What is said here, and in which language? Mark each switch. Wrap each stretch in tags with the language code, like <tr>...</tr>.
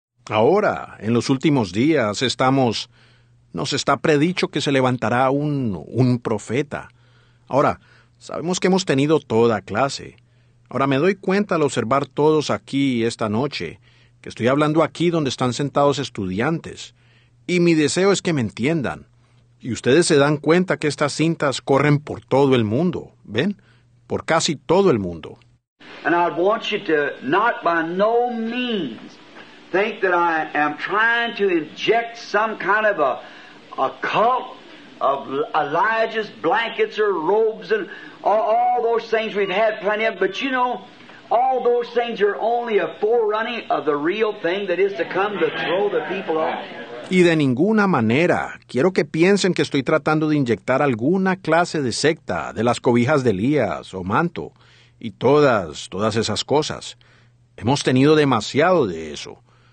<es>Ahora, en los últimos días, estamos, nos está predicho que se levantará un profeta. Ahora, sabemos que hemos tenido toda clase. Ahora, me doy cuenta al observar todos aquí esta noche, que estoy hablando aquí donde están sentados estudiantes, y mi deseo es que me entiendan. Y ustedes se dan cuenta que estas cintas corren por todo el mundo, ¿ven? Por casi todo el mundo.</es> <en>And I want you to not by no means think that I am trying to inject some kind of a cult of Elijah's blankets or robes and all those things we've had plenty of, but you know, all those things are only a forerunning of the real thing that is to come to throw the people off.</en> <es>Y de ninguna manera quiero que piensen que estoy tratando de inyectar alguna clase de secta de las cobijas de Elías o manto y todas esas cosas. Hemos tenido demasiado de eso.</es>